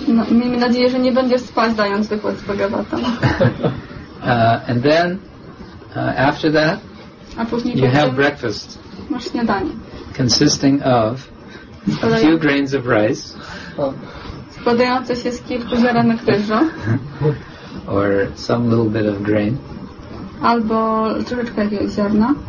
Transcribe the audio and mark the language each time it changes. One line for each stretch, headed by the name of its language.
Polish: Miejmy nadzieję, że nie będziesz spać dając wykład z Bhagavatam.
English: And then after that you have breakfast.
Polish: Masz śniadanie.
English: Consisting of a few grains of rice.
Polish: Składające się z kilku ziarenek ryżu.
English: Or some little bit of grain.
Polish: Albo troszeczkę jakiegoś ziarna.